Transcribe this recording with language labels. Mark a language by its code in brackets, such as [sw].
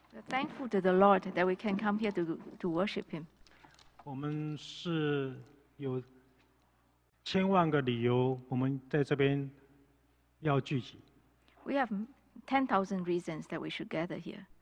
[en] Thankful to the Lord that we can come here to worship Him. [zh] 我们是。有千万个理由，我们在这边要聚集。 [en] We have 10,000 reasons that we should gather here.